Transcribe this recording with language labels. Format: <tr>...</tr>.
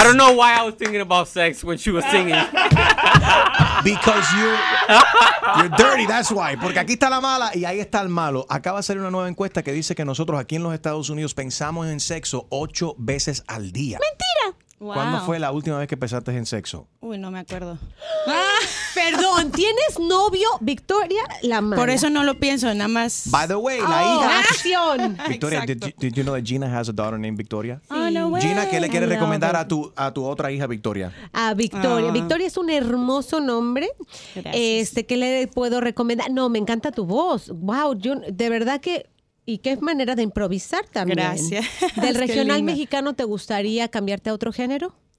<en>I don't know why I was thinking about sex when she was singing. Because you're dirty, that's why.</en> <es>Porque aquí está la mala y ahí está el malo. Acaba de salir una nueva encuesta que dice que nosotros aquí en los Estados Unidos pensamos en sexo 8 veces al día. Mentira. Wow. ¿Cuándo fue la última vez que pensaste en sexo? Uy, no me acuerdo. Perdón, ¿tienes novio, Victoria? La mala. Por eso no lo pienso, nada más.</es> <en>By the way,</en> <es>la hija. ¡Acción!</es> <en>Victoria, did you know that Gina has a daughter named Victoria?</en> <es>Sí.</es> <en>Oh, no way.</en> <es>Gina, ¿qué le quieres recomendar a tu otra hija, Victoria? A Victoria. Oh. Victoria es un hermoso nombre. Gracias. ¿Qué le puedo recomendar? No, me encanta tu voz. Wow, yo de verdad que... Y qué manera de improvisar también. Gracias. ¿Del regional mexicano te gustaría cambiarte a otro género?</es>